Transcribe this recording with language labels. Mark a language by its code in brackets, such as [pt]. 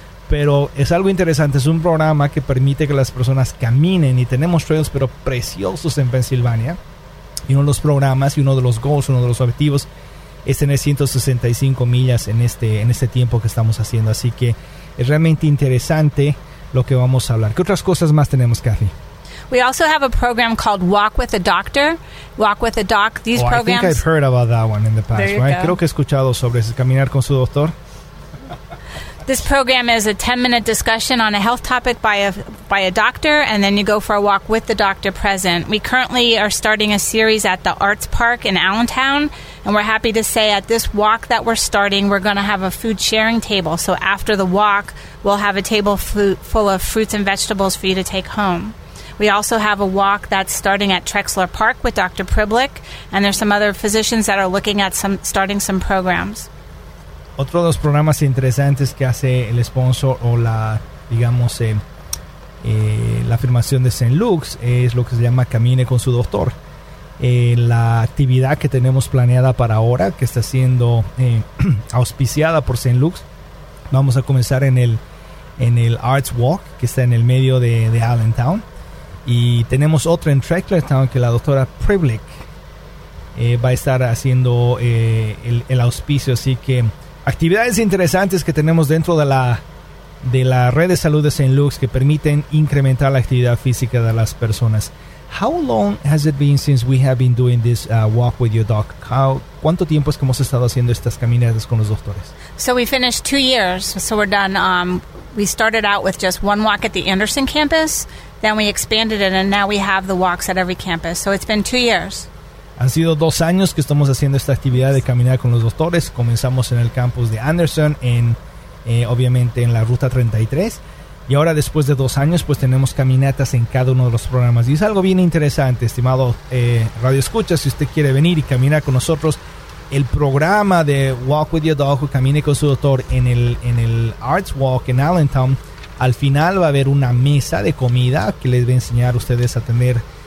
[es] Pero es algo interesante, es un programa que permite que las personas caminen, y tenemos trails pero preciosos en Pensilvania. y uno de los programas y uno de los goals, uno de los objetivos es tener 165 millas en este tiempo que estamos haciendo. Así que es realmente interesante lo que vamos a hablar. ¿Qué otras cosas más tenemos, Kathy? [en] We also have a program called Walk with a Doctor. Walk with a Doc. These programs. I think I've heard about that one in the past. There you right? go. [es] Creo que he escuchado sobre ese, caminar con su doctor. [en] This program is a 10-minute discussion on a health topic by a doctor, and then you go for a walk with the doctor present. We currently are starting a series at the Arts Park in Allentown, and we're happy to say at this walk that we're starting, we're going to have a food sharing table. So after the walk, we'll have a table full of fruits and vegetables for you to take home. We also have a walk that's starting at Trexler Park with Dr. Priblick, and there's some other physicians that are looking at starting some programs. [es] Otro de los programas interesantes que hace el sponsor o la, digamos, la afirmación de St. Luke's es lo que se llama Camine con su doctor. La actividad que tenemos planeada para ahora, que está siendo auspiciada por St. Luke's, vamos a comenzar en el Arts Walk, que está en el medio de Allentown. Y tenemos otra en Trecklertown que la doctora Priblick va a estar haciendo el auspicio. Así que actividades interesantes que tenemos dentro de la red de salud de St. Luke's que permiten incrementar la actividad física de las personas. [en] How long has it been since we have been doing this walk with your doc? [es] ¿Cuánto tiempo es que hemos estado haciendo estas caminatas con los doctores? [en] So we finished 2 years, so we're done. We started out with just one walk at the Anderson campus, then we expanded it, and now we have the walks at every campus. So it's been 2 years. [es] Han sido 2 años que estamos haciendo esta actividad de caminar con los doctores. Comenzamos en el campus de Anderson, obviamente en la ruta 33. Y ahora después de 2 años, pues tenemos caminatas en cada uno de los programas. Y es algo bien interesante, estimado Radio Escucha, si usted quiere venir y caminar con nosotros, el programa de Walk With Your Dog, Camine con su doctor en el Arts Walk en Allentown, al final va a haber una mesa de comida que les va a enseñar a ustedes a tener,